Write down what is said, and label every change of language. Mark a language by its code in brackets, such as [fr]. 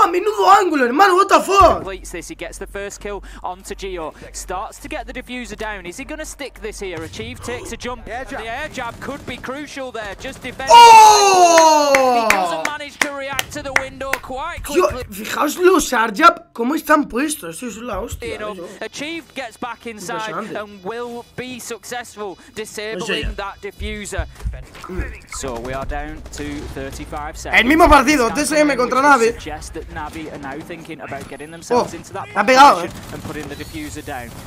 [es] Buah, menudo ángulo, hermano, [en] what the fuck? Completes this. He gets the first kill onto Geo. Starts to get the diffuser down. Is he gonna stick this here? Achieve takes a jump. The air jab could be crucial there. Just defend. Oh! He doesn't manage to react to the window quite quickly. [es] Yo, fijaos los air jab, cómo están puestos. Eso es la hostia. [en] You know, Achieve gets back inside and will be successful disabling that diffuser. So we are down to 35 seconds. [es] El mismo partido, TSM contra Navi. [en] Navi are now thinking about getting themselves into that position and putting the diffuser down.